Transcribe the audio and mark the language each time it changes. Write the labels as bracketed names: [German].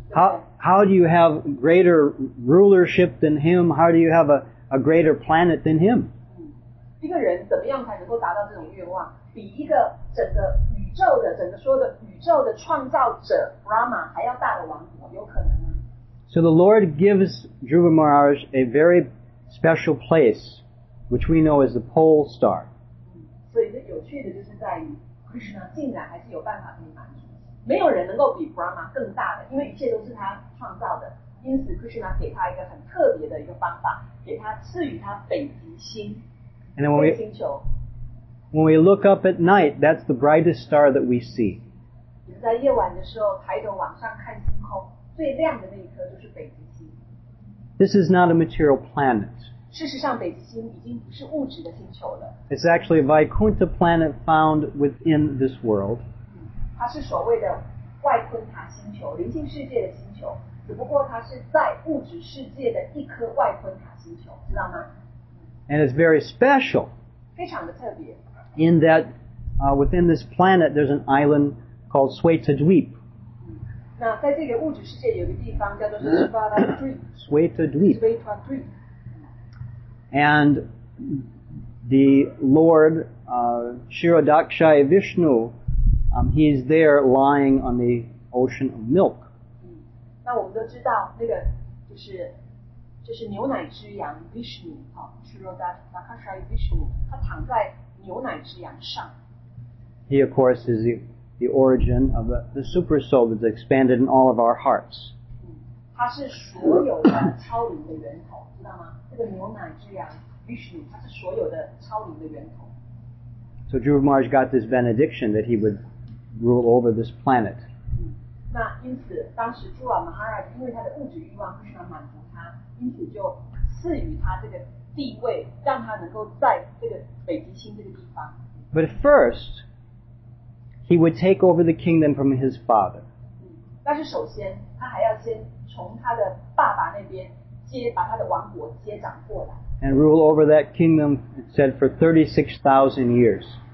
[English] How do you have greater rulership than him? How do you have a greater planet than him? [Chinese] 一个人怎么样才能够达到这种愿望？比一个整个宇宙的整个说的宇宙的创造者 Brahma 还要大的王国，有可能吗？ [English] So the Lord gives Dhruva Maharaj a very special place, which we know as the pole star. [Chinese] 所以有趣的就是在于 Krishna 竟然还是有办法可以满足，没有人能够比 Brahma 更大的，因为一切都是他创造的，因此 Krishna 给他一个很特别的一个方法，给他赐予他北极星，北极星球。 [English] When we look up at night, that's the brightest star that we see. [Chinese] 你们在夜晚的时候抬头往上看星空，最亮的那一颗就是北极星。 [English] This is not a material planet. [Chinese] 事实上，北极星已经不是物质的星球了。 [English] It's actually a Vaikuntha planet found within this world. [Chinese] 它是所谓的外昆塔星球，灵性世界的星球，只不过它是在物质世界的一颗外昆塔星球，知道吗？ [English] And it's very special. [Chinese] 非常的特别。 [English] In that, within this planet, there's an island called Swetadweep. [Chinese] 那在这个物质世界有个地方叫做 Swetadweep. [English] Swetadweep. And the Lord, Shirodakshaya Vishnu, he's there lying on the ocean of milk. [Chinese] 那我们都知道那个就是牛奶之羊 Vishnu, Shirodakshaya Vishnu, 他躺在牛奶之羊上。 [English] He, of course, is the origin of the super soul that's expanded in all of our hearts. [Chinese] 他是所有的超灵的源头，知道吗？这个牛奶之羊 Vishnu, 他是所有的超灵的源头。 [English] So Dhruva Maharaj got this benediction that he would rule over this planet. [Chinese] 那因此，当时朱瓦马哈拉因为他的物质欲望不想满足他，因此就赐予他这个。地位让他能够在这个北极星这个地方。 [English] But first, he would take over the kingdom from his father. [Chinese] 但是首先，他还要先从他的爸爸那边 [English] And rule over that kingdom, it said, for 36,000 years.